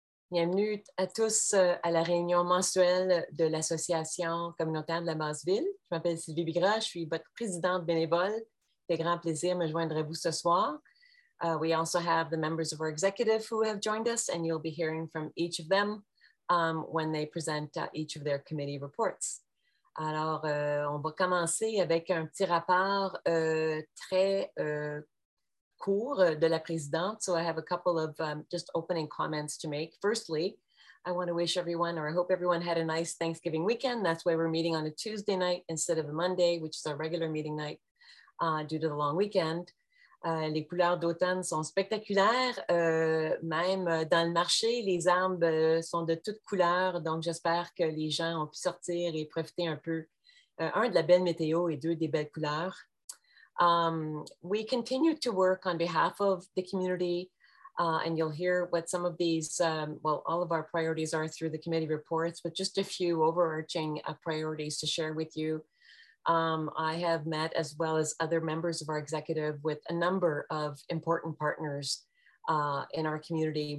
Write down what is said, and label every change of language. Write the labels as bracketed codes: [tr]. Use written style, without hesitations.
[fr] Bienvenue à tous à la réunion mensuelle de l'Association communautaire de la Masseville. Je m'appelle Sylvie Bigra, je suis votre présidente bénévole. C'est un grand plaisir de me joindre à vous ce soir. [en] We also have the members of our executive who have joined us, and you'll be hearing from each of them when they present each of their committee reports. [fr] Alors, on va commencer avec un petit rapport très court de la présidente. [en] So I have a couple of just opening comments to make. Firstly, I want to wish everyone, or I hope everyone had a nice Thanksgiving weekend. That's why we're meeting on a Tuesday night instead of a Monday, which is our regular meeting night due to the long weekend. [fr] Les couleurs d'automne sont spectaculaires. Même dans le marché, les arbres sont de toutes couleurs. Donc, j'espère que les gens ont pu sortir et profiter un peu, un, de la belle météo et deux, des belles couleurs. [en] We continue to work on behalf of the community, and you'll hear what some of these, well, all of our priorities are through the committee reports, but just a few overarching priorities to share with you. I have met, as well as other members of our executive, with a number of important partners in our community.